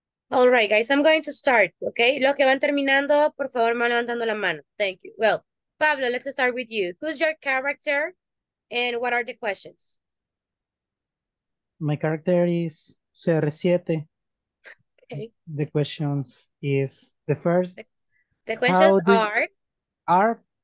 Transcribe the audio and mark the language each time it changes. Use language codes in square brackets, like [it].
[en] All right, guys, I'm going to start, okay? [es] Los que van terminando, por favor, me van levantando la mano. [en] Thank you. Well, Pablo, let's start with you. Who's your character and what are the questions? My character is CR7. Okay. The questions is, the first, the questions are,